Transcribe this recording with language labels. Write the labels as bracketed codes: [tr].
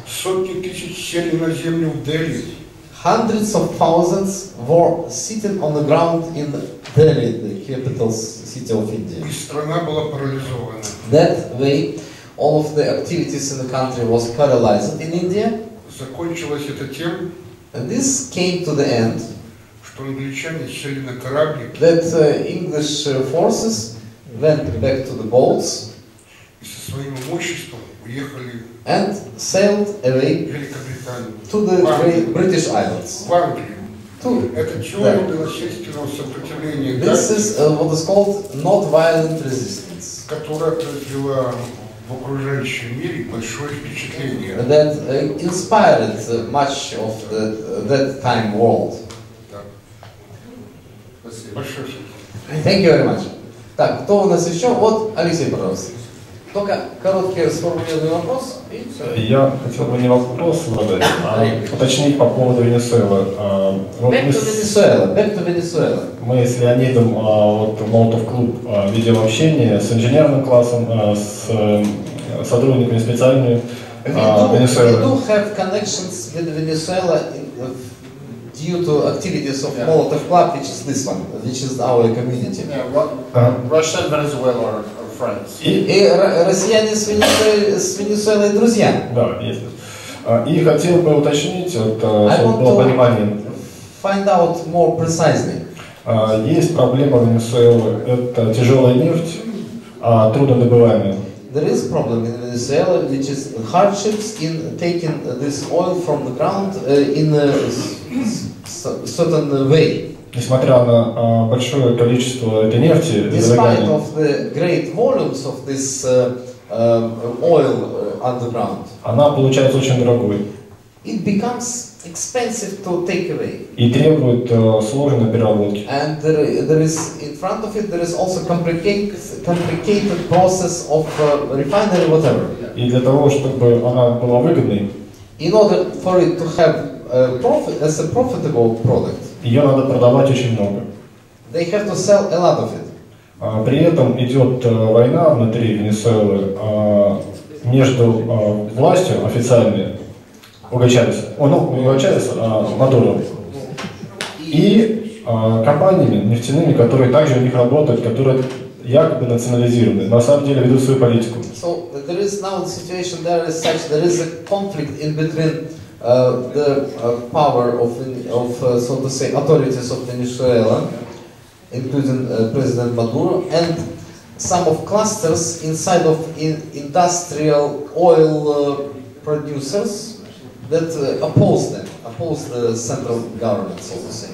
[ru] Сотни тысяч сели на землю в Дели. [en] Hundreds of thousands were sitting on the ground in Delhi, the capital city of India. [ru] И страна была парализована. [en] That way, all of the activities in the country was paralyzed in India. [ru] Закончилось это тем, [en] and this came to the end, [ru] что англичане сели на корабли. [en] That English forces went back to the boats. [ru] И со своим имуществом уехали. [en] And sailed away to the British Islands. [ru] В Англию. Это теория ненасильственного сопротивления. [en] This is what is called non-violent resistance. [ru] Которая произвела в окружающем мире большое впечатление. [en] That inspired much of the, that time world. [ru] Спасибо. Большое спасибо. [en] Thank you very much. [ru] Так, кто у нас еще? Вот, Алексей, пожалуйста. Только короткий сформулированный вопрос. Я хотел бы не вопрос задать, а уточнить по поводу Венесуэлы. [en] Back to Venezuela. [ru] Мы с Леонидом вот Молотов клуб ведем общение с инженерным классом, с сотрудниками специальными Венесуэлы. [en] We do have connections with Venezuela due to activities of Molotov Club, which is our community. Russia and Venezuela are friends. [ru] И россияне с Венесуэлой друзья. Да, есть. И хотел бы уточнить, вот, чтобы было понимание. [en] Find out more precisely. [ru] Есть проблема Венесуэлы. Это тяжелая нефть, труднодобываемая. [en] There is problem in Venezuela, which is hardships in taking this oil from the ground in a certain way. [ru] Несмотря на большое количество этой нефти, [en] despite of the great volumes of this oil underground, [ru] она получается очень дорогой. [en] It becomes expensive to take away. [ru] И требует сложной переработки. [en] And there is in front of it there is also complicated process of refinery whatever. [ru] И для того, чтобы она была выгодной, [en] in order for it to have profit as a profitable product. [ru] Ее надо продавать очень много. [en] They have to sell a lot of it. [ru] При этом идет война внутри Венесуэлы между властью официальной Мадуром и компаниями нефтяными, которые также у них работают, которые якобы национализированы, на самом деле ведут свою политику. [en] So there is now the situation there is such there is a conflict in between. The power of so to say authorities of Venezuela, including President Maduro, and some of clusters inside of industrial oil producers that oppose the central government, so to say.